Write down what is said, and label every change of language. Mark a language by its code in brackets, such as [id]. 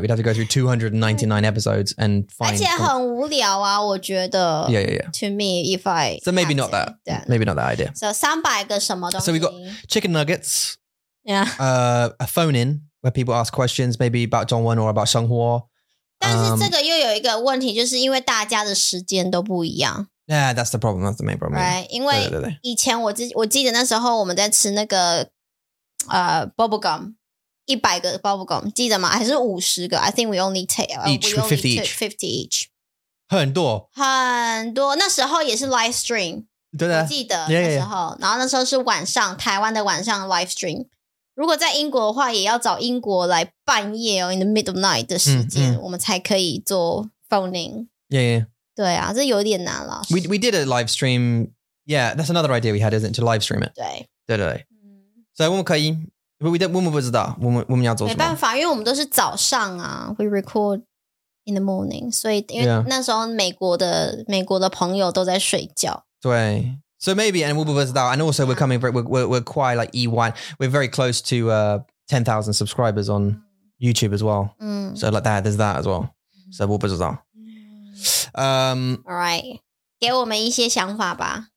[en] We'd have to go through 299 episodes and find... [zh] 而且很无聊啊,我觉得。 [en] Yeah, yeah, yeah. To me, if I... So maybe not that. Then. Maybe not that idea. [zh] So 300个什么东西。 [en] So we've got chicken nuggets. Yeah. A phone-in where people ask questions, maybe about 中文 or about 生活。 [zh] 但是这个又有一个问题,就是因为大家的时间都不一样。 [en] Yeah, that's the problem. That's the main problem. [zh] Right, 因为以前我记得那时候我们在吃那个bubble gum, 100个 bubble gum, 记得吗？还是50个 ？ [en] I think we only take each with 50 each. 50 each. [zh] 很多。很多。那时候也是 live stream. 对的。记得那时候，然后那时候是晚上，台湾的晚上 live stream。如果在英国的话，也要找英国来半夜哦 ， [en] in the middle of night [zh] 的时间，我们才可以做 phoning. [en] Yeah, yeah. [zh] 对啊，这有点难了。 [en] We did a live stream. Yeah, that's another idea we had, isn't it? To live stream it. [zh] 对。对对对。So, 我们可以。 [en] But we don't, [zh] 我们不知道。我们要做什么。没办法，因为我们都是早上啊。 [en] We record in the morning. [zh] 所以因为那时候美国的朋友都在睡觉。对。 [en] So maybe, and [zh] 我们不知道。 [en] And also, we're coming, we're quite like E1. We're very close to 10,000 subscribers on YouTube as well. So like that, there's that as well. So [zh] 我不知道。 All right, 给我们一些想法吧。